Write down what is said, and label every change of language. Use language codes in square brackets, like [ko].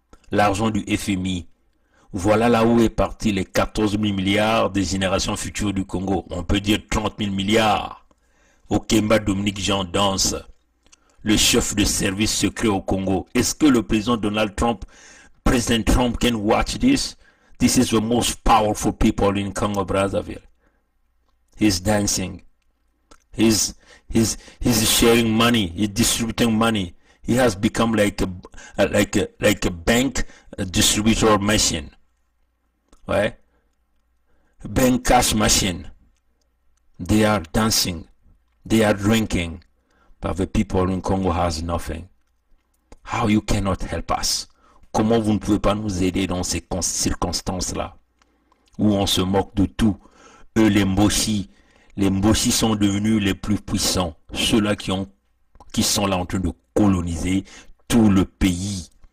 [fr] L'argent du FMI. Voilà là où est parti les 14 000 milliards des générations futures du Congo. On peut dire 30 000 milliards. Okemba Dominique Jean danse. Le chef de service secret au Congo. Est-ce que le président Donald Trump, [en] President Trump can watch this? This is the most powerful people in Congo Brazzaville. He's dancing. He's sharing money. He's distributing money. He has become like a bank distributor machine. Right? Bank cash machine. They are dancing. They are drinking. But the people in Congo has nothing. How you cannot help us? [fr] Comment vous ne pouvez pas nous aider dans ces circonstances-là, où on se moque de tout? Eux, les Mbossi sont devenus les plus puissants, ceux-là qui sont là en train de coloniser tout le pays.